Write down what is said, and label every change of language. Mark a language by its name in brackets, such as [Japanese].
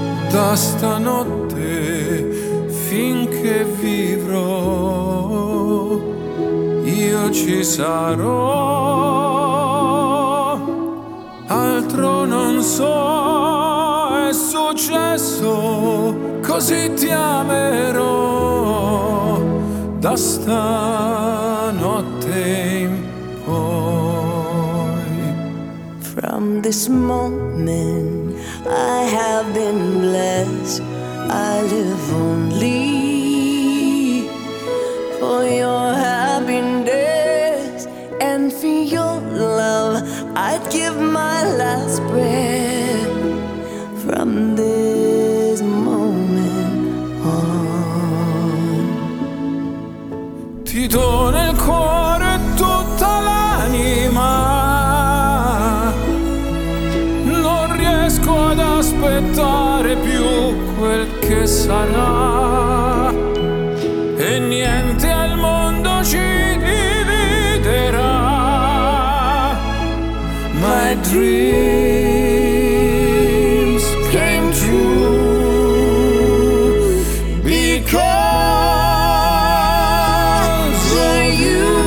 [Italian] Da stanotte finché vivrò, io ci sarò, altro non so, è successo, così ti amerò, da stanotte in poi. [English] From this moment I have been blessed, I live only for your happiness and for your love. I'd give my last breath from this moment on. [Italian] Ti do nel cuore tutta l'anima, non riesco ad aspettare più quel che sarà. E niente al mondo ci dividerà. [English] My dreams came true because of you.